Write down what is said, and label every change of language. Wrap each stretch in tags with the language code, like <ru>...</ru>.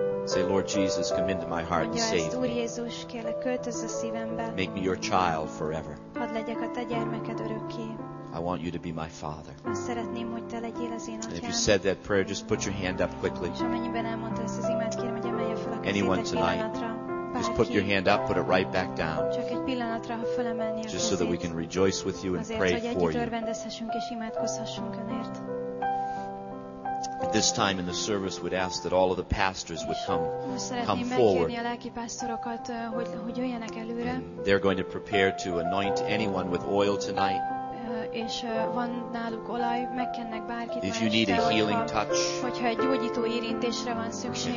<en>Say, Lord Jesus, come into my heart and save me.</en> <hu>Úr Jézus, kérlek, költözz a szívembe.</hu> <en>Make me your child forever.</en> <hu>Hadd legyek a te gyermeked örökké.</hu> <en>I want you to be my father.</en> <hu>Szeretném, hogy te legyél az én atyám.</hu> <en>And if you said that prayer, just put your hand up quickly. Anyone tonight, just put your hand up, put it right back down.</en> <hu>Csak egy pillanatra, ha fölemelni a kezét.</hu> <en>Just so that we can rejoice with you and</en> <hu>azért,</hu> <en>pray for you.</en> <hu>Örvendezhessünk és imádkozhassunk önért.</hu> <en>At this time in the service, we'd ask that all of the pastors would come forward.</en> <hu>Szeretném megkérni a lelki pásztorokat, hogy jöjjenek előre.</hu> <en>And they're going to prepare to anoint anyone with oil tonight.</en> <hu>És van náluk olaj, megkennek bárkit.</hu> <en>If you need a healing touch,</en> <hu>hogyha egy gyógyító érintésre van szükséged,</hu>